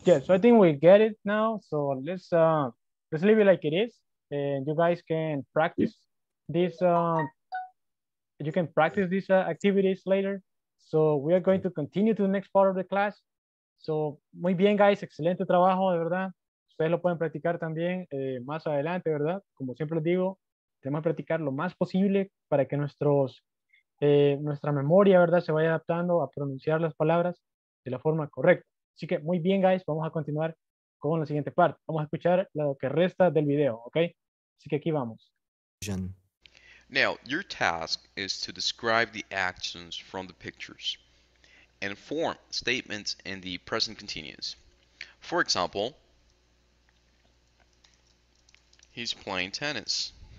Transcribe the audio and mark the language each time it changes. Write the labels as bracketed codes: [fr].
[en] Yeah, so I think we get it now. So let's leave it like it is, and you guys can practice this. You can practice these activities later. So we are going to continue to the next part of the class. [es] So muy bien, guys. Excelente trabajo, de verdad. Ustedes lo pueden practicar también más adelante, ¿verdad? Como siempre les digo, tenemos que practicar lo más posible para que nuestra memoria, ¿verdad? Se vaya adaptando a pronunciar las palabras de la forma correcta. Así que muy bien, guys, vamos a continuar con la siguiente parte. Vamos a escuchar lo que resta del video, ¿ok? Así que aquí vamos. [en] Now, your task is to describe the actions from the pictures and form statements in the present continuous. For example, he's playing tennis.